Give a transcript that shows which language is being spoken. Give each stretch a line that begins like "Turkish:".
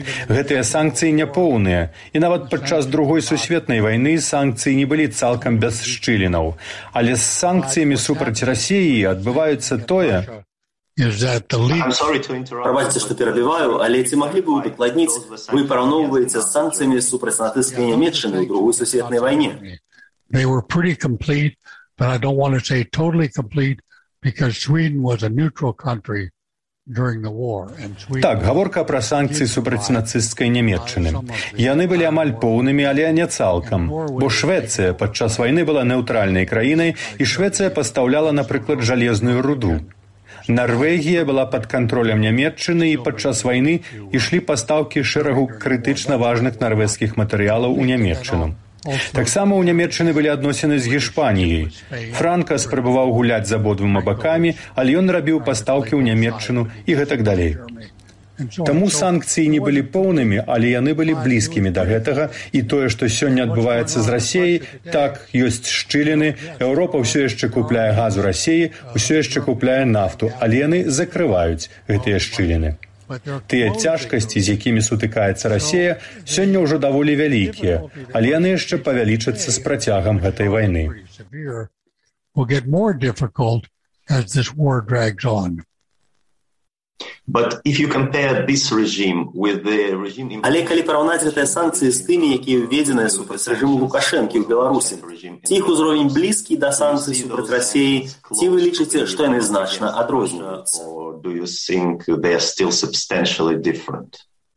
Belarusian: Гэтыя санкцыі няпоўныя, і нават падчас Другой сусветнай вайны санкцыі не былі цалкам без шчылінаў. Але з санкцыямі супраць Расіі адбываецца тое... Прабачце, што перабіваю, але ці маглі б вы ўдакладніць, вы параўноўваеце з санкцыямі супраць нацысцкай Нямеччыны ў Другой сусветнай вайне?
English: They were pretty complete, but I don't want to say totally complete, because Sweden was a neutral country during the war.
Belarusian: Так, гаворка пра санкцыі супраць нацысцкай Нямеччыны. Яны былі амаль поўнымі, але не цалкам. Бо Швецыя падчас вайны была нейтральнай краінай, і Швецыя пастаўляла, напрыклад, жалезную руду. Нарвегія была пад кантролем Нямеччыны, і падчас вайны ішлі пастаўкі шэрагу крытычна важных нарвежскіх матэрыялаў у Нямеччыну. Таксама ў Нямеччыны былі адносіны з Гішпаніяй. Франка спрабаваў гуляць з абодвума бакамі, але ён рабіў пастаўкі ў Нямеччыну і гэтак далей. Таму санкцыі не былі поўнымі, але яны былі блізкімі да гэтага, і тое, што сёння адбываецца з Расіяй, так, ёсць шчыліны, Еўропа ўсё яшчэ купляе газ у Расіі, ўсё яшчэ купляе нафту, але яны закрываюць гэтыя шчыліны. Тыя цяжкасці, з якімі сутыкаецца Расія, сёння ўжо даволі вялікія, але яны яшчэ павялічацца з працягам гэтай вайны.
English: Will get more difficult as this war drags on. But if you compare this regime with the regime in...
Belarusian: Але калі параўнаць гэтыя санкцыі з тымі, якія введзеныя супраць рэжыму Лукашэнкі ў Беларусі, ці іх узровень блізкі да санкцый супраць Расіі, ці вы лічыце, што яны значна адрозніваюцца?
English: Do you think they are still substantially different?